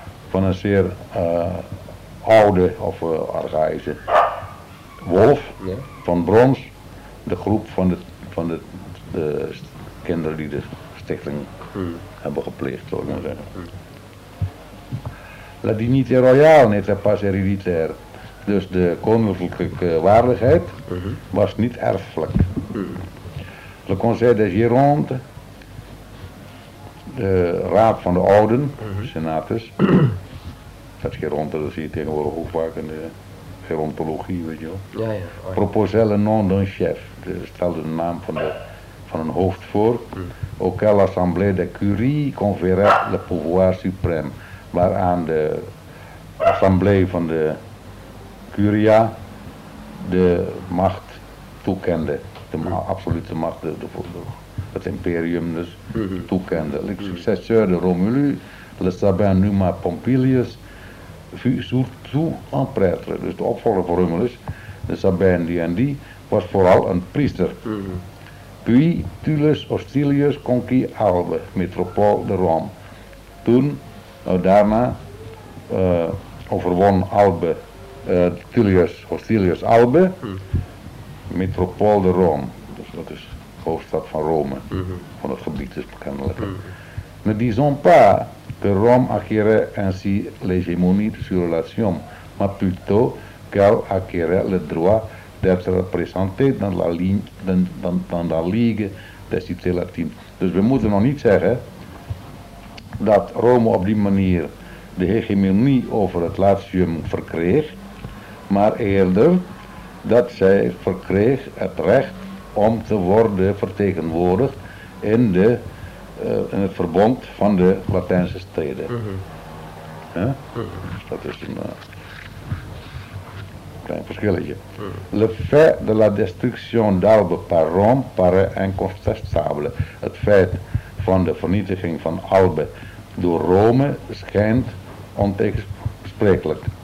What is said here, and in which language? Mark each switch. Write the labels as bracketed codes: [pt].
[nl] Van een zeer oude of archaïsche wolf van brons, de groep van de kinderen die de stichting hebben gepleegd, zou ik maar zeggen. [fr] La dignité royale n'était pas héréditaire. [nl] Dus de koninklijke waardigheid was niet erfelijk. [fr] Le Conseil des Girondes, [nl] de Raad van de Ouden, senatus. Dat is Gironde, dat zie je tegenwoordig ook vaak in de gerontologie, weet je wel. [fr] Proposé le nom d'un chef, [nl] stelde de naam van een hoofd voor. [fr] Auquel l'Assemblée de Curie conférait le pouvoir suprême, [nl] waaraan de Assemblée van de Curia de macht toekende, de absolute macht, het imperium dus, toekende. [fr] Le successeur de Romulu, le Sabin Numa Pompilius, fut surtout un prêtre. [nl] Dus de opvolger van Romulus, de Sabin die en die, was vooral een priester. [fr] Puis Tullus Hostilius conquis Albe, metropool de Rome. [nl] Toen, daarna, overwon Albe. Tullius Hostilius Albe, [fr] metropool de Rome, [nl] dus dat is de hoofdstad van Rome, van het gebied dus bekendelijk. [fr] Ne disons pas que Rome acquérait ainsi l'hégémonie sur la Sion, mais plutôt qu'elle acquérait le droit d'être représentée dans la Ligue des Cités Latines. [nl] Dus we moeten nog niet zeggen dat Rome op die manier de hegemonie over het Latium verkreeg, maar eerder dat zij verkreeg het recht om te worden vertegenwoordigd in het verbond van de Latijnse steden. Dat is een klein verschilletje. [fr] Le fait de la destruction d'Albe par Rome paraît incontestable. [nl] Het feit van de vernietiging van Albe door Rome schijnt ontegensprekelijk.